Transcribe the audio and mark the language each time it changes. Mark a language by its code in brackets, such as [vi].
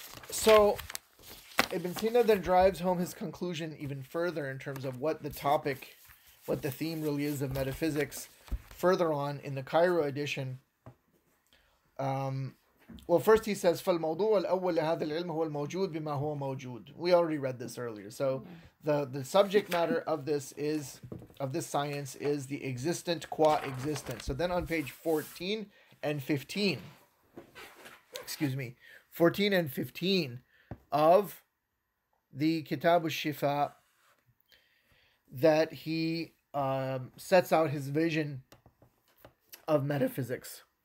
[en] So Ibn Sina then drives home his conclusion even further in terms of what the topic, what the theme really is of metaphysics, further on in the Cairo edition. Well, first he says, [ar] فالموضوع الأول لهذا العلم هو الموجود بما هو موجود. [en] We already read this earlier. So the subject matter of this is, of this science, is the existent qua existent. So then on page 14 and 15, excuse me, 14 and 15 of the Kitab al-Shifa, that he sets out his vision of metaphysics.